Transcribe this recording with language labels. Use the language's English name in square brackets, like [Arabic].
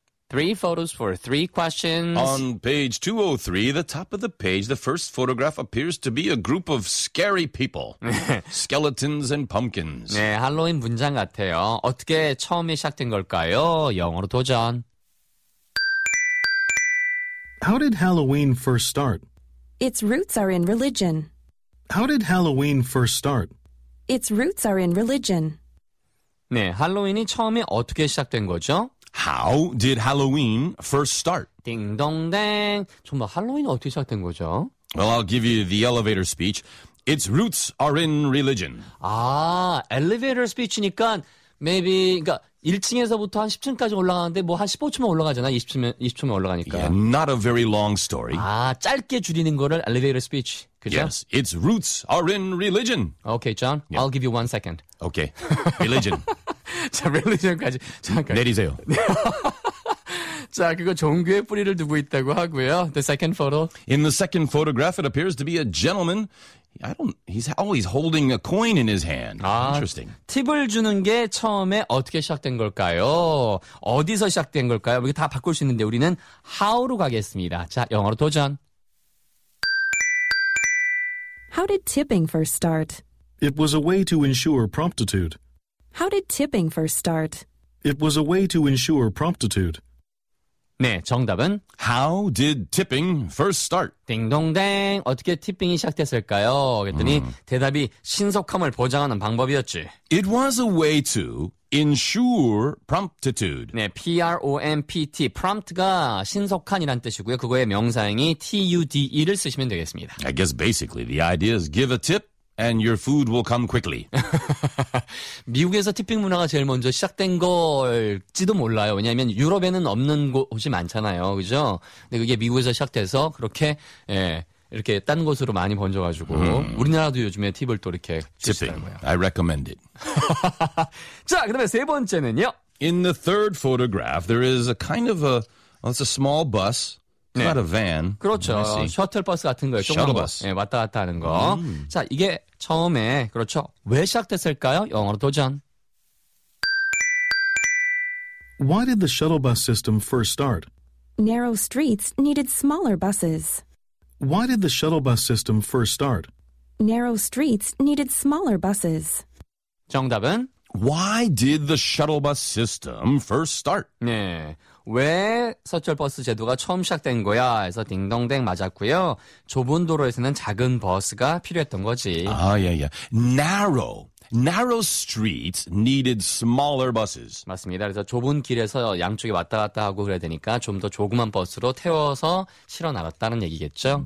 [English] 3 photos for 3 questions. On page 203, the top of the page, the first photograph appears to be a group of scary people. Skeletons and pumpkins. [Korean] 네, 할로윈 문장 같아요. 어떻게 처음에 시작된 걸까요? 영어로 도전. [English] How did Halloween first start? Its roots are in religion. How did Halloween first start? Its roots are in religion. [Korean] 네, 할로윈이 처음에 어떻게 시작된 거죠? [English] How did Halloween first start? [Korean] 딩동댕. 정말 할로윈 어떻게 시작된 거죠? [English] Well, I'll give you the elevator speech. Its roots are in religion. [Korean] 아, elevator speech니까 maybe 그러니까 1층에서부터 한 10층까지 올라가는데 뭐 한 15초만 올라가잖아. 20초만 올라가니까. [English] Yeah, not a very long story. [Korean] 아, 짧게 줄이는 거를 elevator speech. 그죠? [English] Yes, its roots are in religion. Okay, John. Yeah. I'll give you one second. Okay. Religion. [Korean] 자, 릴리전까지 잠깐 내리세요. 자, 그거 종교의 뿌리를 두고 있다고 하고요. [English] The second photo. In the second photograph, it appears to be a gentleman I don't. He's always holding a coin in his hand. 아, Interesting. [Korean] 팁을 주는 게 처음에 어떻게 시작된 걸까요? 어디서 시작된 걸까요? 이게 다 바꿀 수 있는데 우리는 how로 가겠습니다. 자, 영어로 도전. [English] How did tipping first start? It was a way to ensure promptitude. How did tipping first start? It was a way to ensure promptitude. [Korean] 네, 정답은 [English] How did tipping first start? [Korean] 딩동댕, 어떻게 tipping이 시작됐을까요? 그랬더니 대답이 신속함을 보장하는 방법이었지. [English] It was a way to ensure promptitude. [Korean] 네, P-R-O-M-P-T, prompt가 신속한이란 뜻이고요. 그거의 명사형이 T-U-D-E를 쓰시면 되겠습니다. [English] I guess basically the idea is give a tip. And your food will come quickly. [Korean] 미국에서 티핑 문화가 제일 먼저 시작된 걸지도 몰라요. 왜냐하면 유럽에는 없는 곳이 많잖아요. 그죠? 근데 그게 미국에서 시작돼서 그렇게, 예. 이렇게 딴 곳으로 많이 번져가지고 우리나라도 요즘에 팁을 또 이렇게 주시더라고요. [English] I recommend it. [Korean] 자, 그 다음에 세 번째는요. [English] In the third photograph, there is a kind of a, well, it's a small bus. It's 네. not a van. [Korean] 그렇죠. 셔틀버스 같은 거예요. 셔틀버스. 네, 왔다 갔다 하는 거. 자, 이게 처음에, 그렇죠. 왜 시작됐을까요? 영어로 도전. [English] Why did the shuttle bus system first start? Narrow streets needed smaller buses. Why did the shuttle bus system first start? Narrow streets needed smaller buses. [Korean] 정답은? [English] Why did the shuttle bus system first start? [Korean] 네. 왜 서철버스 제도가 처음 시작된 거야? 해서 딩동댕 맞았고요. 좁은 도로에서는 작은 버스가 필요했던 거지. [English] 아, yeah, yeah. Narrow streets needed smaller buses. [Korean] 맞습니다. 그래서 좁은 길에서 양쪽에 왔다 갔다 하고 그래야 되니까 좀 더 조그만 버스로 태워서 실어 나갔다는 얘기겠죠?